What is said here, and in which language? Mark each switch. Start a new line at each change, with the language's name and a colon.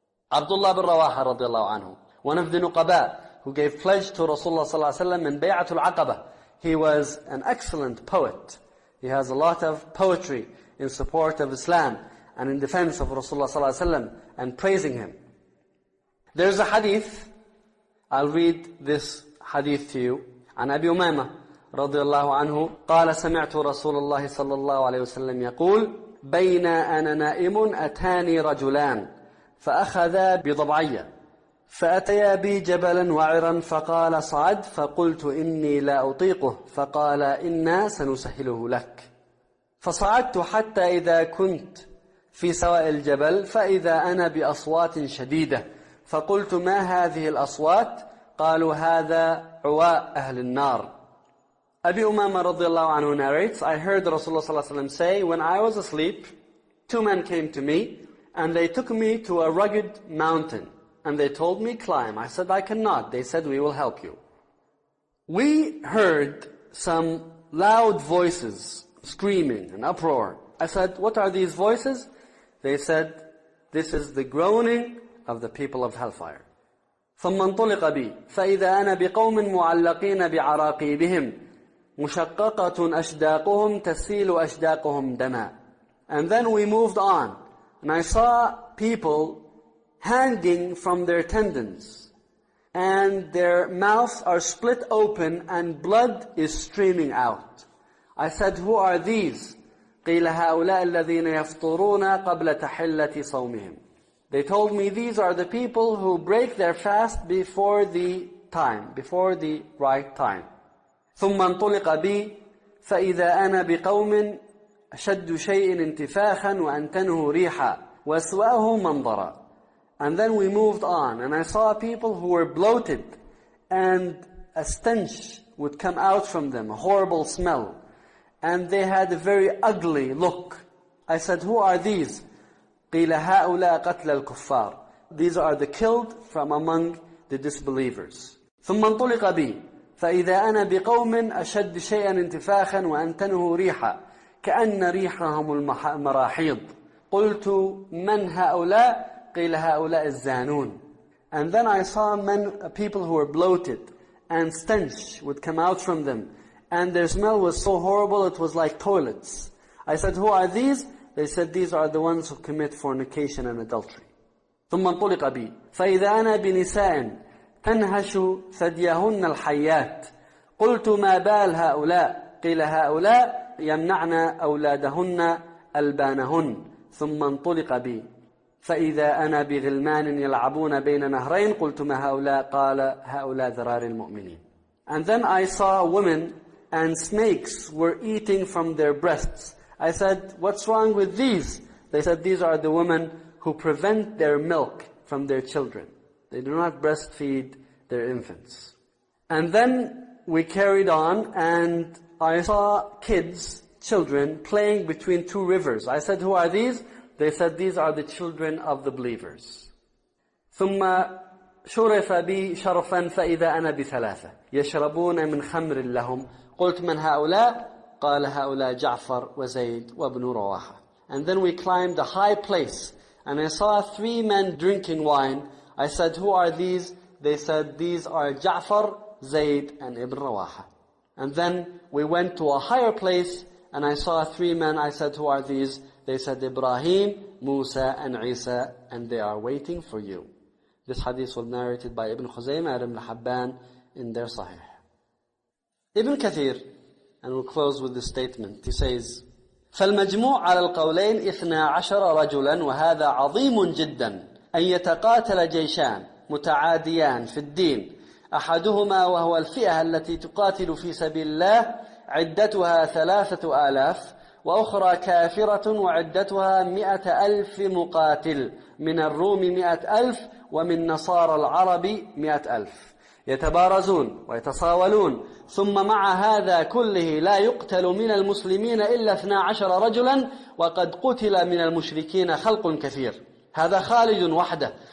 English: Abdullah bin Rawaha radiallahu anhu, one of the Nuqaba who gave pledge to Rasulullah sallallahu alayhi wa sallam in Bay'atul Aqaba. He was an excellent poet. He has a lot of poetry in support of Islam and in defense of Rasulullah sallallahu alayhi wa sallam and praising him. There's a hadith. I'll read this hadith to you.
Arabic: An Abi Umama رضي الله عنه قال سمعت رسول الله صلى الله عليه وسلم يقول بين أنا نائم أتاني رجلان فأخذا بضبعية فأتيا بي جبلا وعرا فقال صعد فقلت إني لا أطيقه فقال إنا سنسهله لك فصعدت حتى إذا كنت في سواء الجبل فإذا أنا بأصوات شديدة فقلت ما هذه الأصوات قالوا هذا عواء أهل النار.
English: Abi Umama radiallahu anhu narrates, I heard Rasulullah sallallahu alayhi wa sallam say, when I was asleep, two men came to me, and they took me to a rugged mountain, and they told me, climb. I said, I cannot. They said, we will help you. We heard some loud voices, screaming, an uproar. I said, what are these voices? They said, this is the groaning of the people of hellfire.
Arabic: ثُمَّ انْطُلِقَ بِي فَإِذَا أَنَا بِقَوْمٍ مُعَلَّقِينَ بِعَرَاقِيبِهِمْ مشققة أشداقهم تسيل أشداقهم دما.
English: And then we moved on, and I saw people hanging from their tendons, and their mouths are split open, and blood is streaming out. I said, "Who are these?"
Arabic: قيل هؤلاء الذين يفطرون قبل تحلة صومهم.
English: They told me, "These are the people who break their fast before the time, before the right time."
Arabic: ثم انطلق بي فإذا أنا بقوم أشد شيء انتفاخا وأنتنه ريحا وأسوأه منظرا.
English: And then we moved on, and I saw people who were bloated, and a stench would come out from them, a horrible smell, and they had a very ugly look. I said, who are these?
Arabic: قيل هؤلاء قتل الكفار.
English: These are the killed from among the disbelievers.
Arabic: ثم انطلق بي فإذا أنا بقوم أشد شيئا انتفاخا وأنتنه ريحا كأن ريحهم المراحيض قلت من هؤلاء قيل هؤلاء الزانون.
English: And then I saw men, people who were bloated, and stench would come out from them, and their smell was so horrible it was like toilets. I said, who are these? They said, these are the ones who commit fornication and adultery.
Arabic: ثم انطلق بي فإذا أنا بنساء أنهشوا ثديهن الحيات. قلت ما بال هؤلاء؟ قيل هؤلاء يمنعن أولادهن ألبانهن. ثم انطلق بي فإذا أنا بغلمان يلعبون بين نهرين. قلت ما هؤلاء؟ قال هؤلاء ذرار المؤمنين.
English: And then I saw women and snakes were eating from their breasts. I said, what's wrong with these? They said, these are the women who prevent their milk from their children. They do not breastfeed their infants. And then we carried on and I saw kids, children, playing between two rivers. I said, who are these? They said, these are the children of the believers.
Arabic: ثم شرف بي شرفا فإذا أنا بثلاثة يشربون من خمر لهم. قلت من هؤلاء؟ قال هؤلاء جعفر وزيد وابن رواحة.
English: And then we climbed a high place and I saw three men drinking wine. I said, who are these? They said, these are Ja'far, Zayd, and Ibn Rawaha. And then we went to a higher place and I saw three men. I said, who are these? They said, Ibrahim, Musa, and Isa, and they are waiting for you. This hadith was narrated by Ibn Khuzaymah and Ibn Habban in their Sahih. Ibn Kathir, and we'll close with this statement, he says,
Arabic: فالمجموع على القولين 12 رجلا وهذا عظيم جدا أن يتقاتل جيشان متعاديان في الدين أحدهما وهو الفئة التي تقاتل في سبيل الله عدتها 3000 وأخرى كافرة وعدتها 100,000 مقاتل من الروم 100,000 ومن نصارى العرب 100,000 يتبارزون ويتصاولون ثم مع هذا كله لا يقتل من المسلمين إلا 12 رجلا وقد قتل من المشركين خلق كثير هذا خالد وحده